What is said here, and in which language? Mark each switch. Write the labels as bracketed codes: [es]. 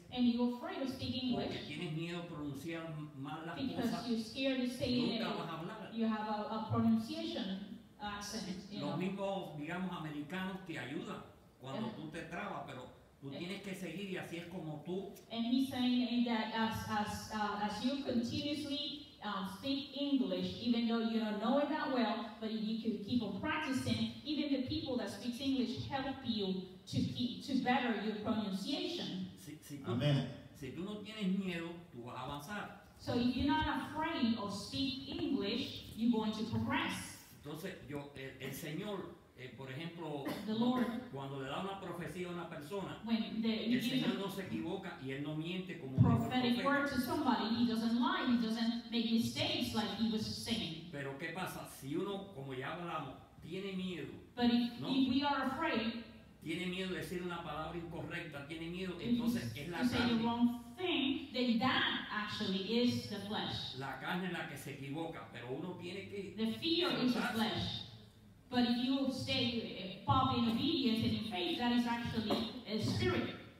[en] and you're afraid of speaking English, [es] porque tienes miedo a pronunciar mal las cosas, [en] you're scared of saying [es] nunca vas a hablar. [en] You have a pronunciation accent, [es] los mismos, digamos, americanos te ayudan cuando tú te trabas, pero tú tienes que seguir y así es como tú. [en] And he's saying that as you continuously speak English, even though you don't know it that well, but if you can keep on practicing, even the people that speak English help you to better your pronunciation. [es] Si tú no tienes miedo, tú vas a avanzar. [en] So if you're not afraid of speaking English, you're going to progress. [es] Entonces, yo, el Señor, por ejemplo, [en] the Lord, [es] cuando le da una profecía a una persona, el Señor no se equivoca y él no miente como [en] prophetic word to somebody, he doesn't lie, he doesn't make mistakes like he was saying. [es] Pero qué pasa si uno, como ya hablamos, tiene miedo, [en] but if we are afraid, [es] tiene miedo de decir una palabra incorrecta, tiene miedo, entonces es la carne. [en] If you say the wrong thing, then that actually is the flesh. [es] La carne es la que se equivoca, pero uno tiene que [en] the fear is the flesh. But if you stay pop in obedience and in faith, that is actually a spirit.